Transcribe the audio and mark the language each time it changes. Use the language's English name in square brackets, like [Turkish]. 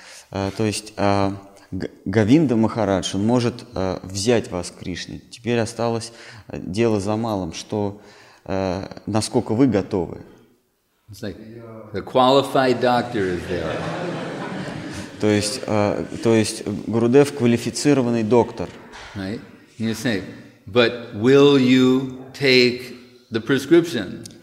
[Russian] То есть Говинда Махарадж, он может взять вас к Кришне. Теперь осталось дело за малым, что насколько вы готовы. [English] It's like the qualified doctor is there. [Russian] То есть Гурудев квалифицированный доктор. [English] Right? You say, but will you take the prescription?